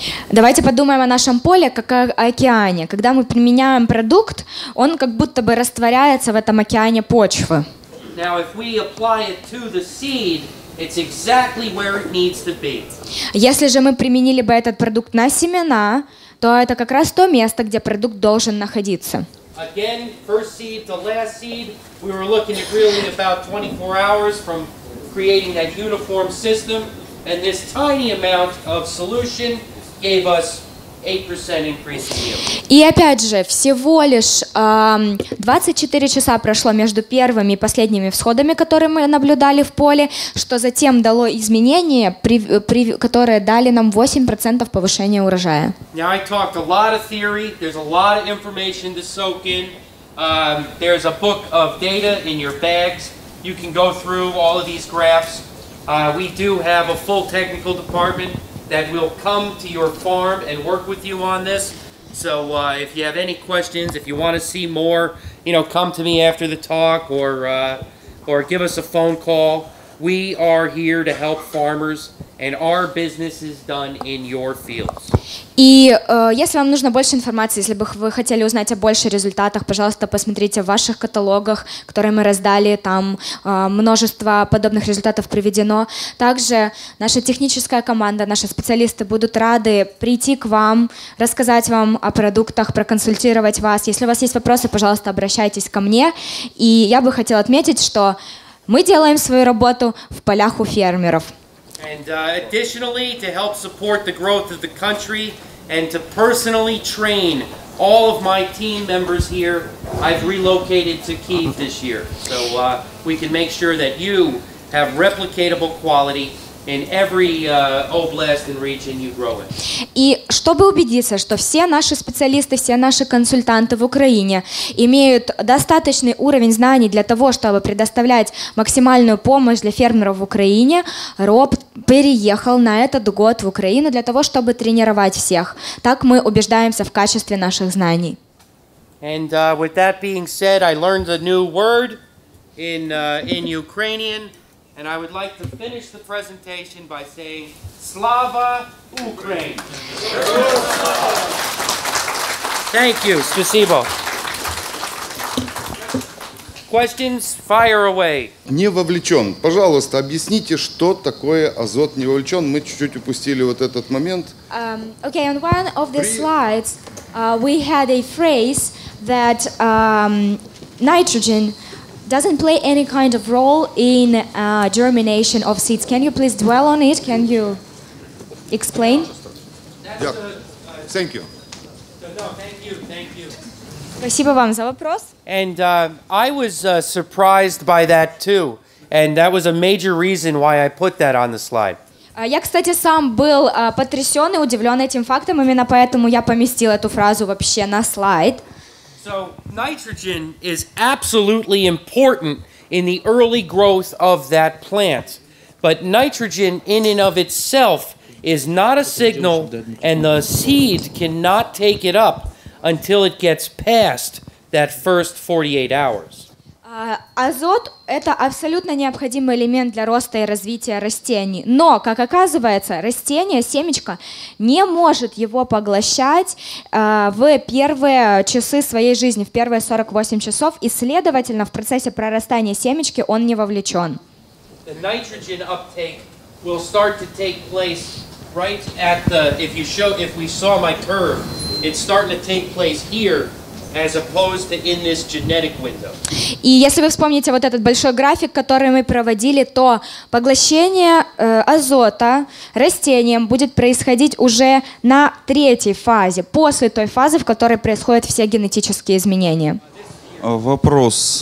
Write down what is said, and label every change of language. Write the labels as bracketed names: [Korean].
[Russian] Давайте подумаем о нашем поле, как о океане. Когда мы применяем продукт, он как будто бы растворяется в этом океане почвы. [English] Now, if we apply it to the seed, it's exactly where it needs to be. [Russian] Если же мы применили бы этот продукт на семена, то это как раз то место, где продукт должен находиться. [English] Again, first seed to last seed, we were looking at really about 24 hours from creating that uniform system, and this tiny amount of solution gave us 8% increase in yield. [Russian] И опять же, всего лишь 24 часа прошло между первыми и последними всходами, которые мы наблюдали в поле, что затем дало изменения, которые дали нам 8% повышения урожая. [English] Now I talked a lot of theory, there's a lot of information to soak in. There's a book of data in your bags. You can go through all of these graphs. We do have a full technical department that will come to your farm and work with you on this. So if you have any questions, if you want to see more, you know, come to me after the talk or give us a phone call. We are here to help farmers, and our business is done in your fields. [Russian] И если вам нужно больше информации, если бы вы хотели узнать о больше результатах, пожалуйста, посмотрите в ваших каталогах, которые мы раздали, там множество подобных результатов приведено. Также наша техническая команда, наши специалисты будут рады прийти к вам, рассказать вам о продуктах, проконсультировать вас. Если у вас есть вопросы, пожалуйста, обращайтесь ко мне. И я бы хотела отметить, что мы делаем свою работу в полях у фермеров. [English] And additionally, to help support the growth of the country and to personally train all of my team members here, I've relocated to Kyiv this year. So we can make sure that you have replicatable quality in every oblast and region you grow in. [Russian] И чтобы убедиться, что все наши специалисты, все наши консультанты в Украине имеют достаточный уровень знаний для того, чтобы предоставлять максимальную помощь для фермеров в Украине, Роб переехал на этот год в Украину для того, чтобы тренировать всех. Так мы убеждаемся в качестве наших знаний. [English] And with that being said, I learned a new word in Ukrainian. And I would like to finish the presentation by saying Slava Ukraine. Thank you, [Russian] спасибо. [English] Questions, fire away. [Russian] Не вовлечен. Пожалуйста, объясните, что такое азот не вовлечен. Мы чуть-чуть упустили вот этот момент. [English] Okay, on one of the slides, we had a phrase that nitrogen doesn't play any kind of role in germination of seeds. Can you please dwell on it? Can you explain? Yeah. Thank you. Thank you. [Russian] Спасибо вам за вопрос. [English] And I was surprised by that too. And that was a major reason why I put that on the slide. [Russian] Я, кстати, сам был потрясён и удивлён этим фактом. Именно поэтому я поместил эту фразу вообще на слайд. [English] So nitrogen is absolutely important in the early growth of that plant. But nitrogen in and of itself is not a signal, and the seed cannot take it up until it gets past that first 48 hours. [Russian] Азот – это абсолютно необходимый элемент для роста и развития растений. Но, как оказывается, растение, семечко, не может его поглощать в первые часы своей жизни, в первые 48 часов, и, следовательно, в процессе прорастания семечки он не вовлечен. [English] The nitrogen uptake will start to take place right at the, if we saw my curve, it's starting to take place here, as opposed to in this genetic window. [Russian] И если вы вспомните вот этот большой график, который мы проводили, то поглощение азота растением будет происходить уже на третьей фазе, после той фазы, в которой происходят все генетические изменения. Вопрос.